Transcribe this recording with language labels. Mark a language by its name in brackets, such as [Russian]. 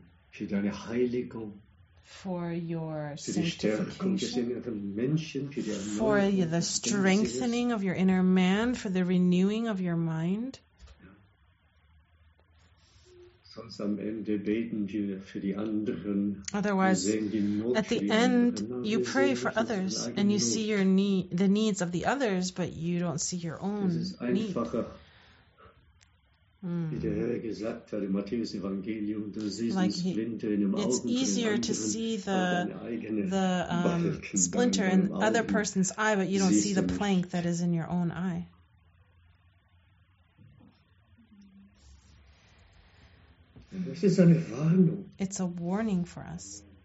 [German] Für deine Heiligung. [English] For your sanctification. For the strengthening of your inner man. For the renewing of your mind. [German] Sonst am Ende beten wir für die anderen. [English] Otherwise, at the end, you pray for others and you see your need, the needs of the others, but you don't see your own need. [German] Wie der Herr gesagt hat im Matthäus Evangelium, du siehst like den Splinter in dem Augen. [English] It's easier to see the splinter in other person's eye, but you don't see the plank that is in your own eye. [German] Es ist eine Warnung. [English] It's a warning for us.